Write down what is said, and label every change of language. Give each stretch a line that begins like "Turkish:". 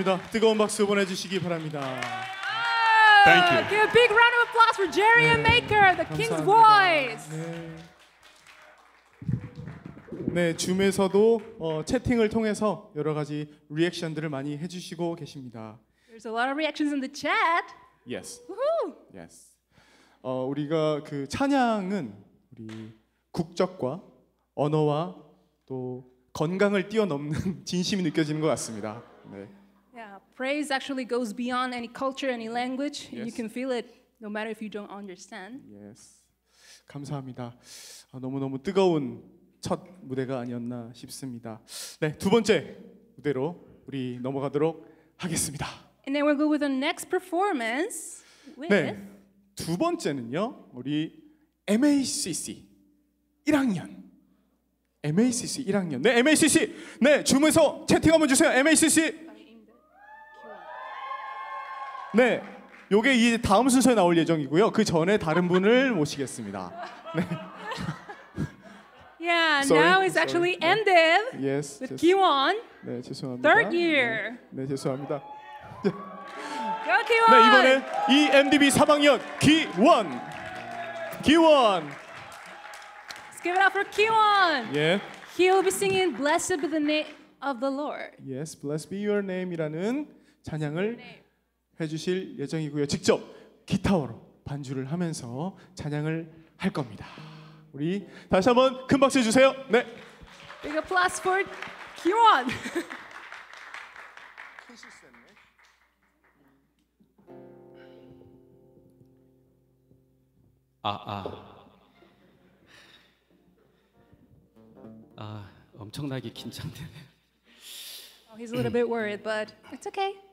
Korean: 뜨거운 박수 보내주시기 바랍니다.
English: Thank you. Give a big round of applause for Jerry and Maker, the King's Voice.
Korean: 네, 줌에서도 채팅을 통해서 여러 가지 리액션들을 많이 해주시고 계십니다.
English: There's a lot of reactions in the chat. Yes. Yes.
Korean: 우리가 그 찬양은 우리 국적과 언어와 또 건강을 뛰어넘는 진심이 느껴지는 것 같습니다. 네.
English: Praise actually goes beyond any culture, any language. Yes. You can feel it, no matter if you don't understand.
Korean: Yes. 감사합니다. 너무너무 뜨거운 첫 무대가 아니었나 싶습니다. 네, 두 번째 무대로 우리 넘어가도록 하겠습니다.
English: And then we'll go with the next performance with...
Korean: 네, 두 번째는요, 우리 MACC 1학년. MACC 1학년. 네, MACC! 네, 줌에서 채팅 한번 주세요, MACC! 네, 요게 이제 다음 순서에 나올 예정이고요. 그 전에 다른 분을 모시겠습니다. 네.
English: Yeah, now it's actually ended. Yes. With Kiwon.
Korean: 네, 죄송합니다.
English: Third year.
Korean: 네, 죄송합니다.
English: 네. Go T1.
Korean: 네, 이번에 EMDB 3학년 기원. 기원.
English: Let's give it up for Kiwon. Yeah. He will be singing Blessed Be the Name of the Lord.
Korean: Yes, Blessed Be Your Name이라는 찬양을 해 주실 예정이고요. 직접 기타로 반주를 하면서 찬양을 할 겁니다. 우리 다시 한번 큰 박수 주세요. 네.
English: Big applause for Kiwon.
Korean: 아아아 엄청나게 긴장되네.
English: Oh, he's a little bit worried, but it's okay.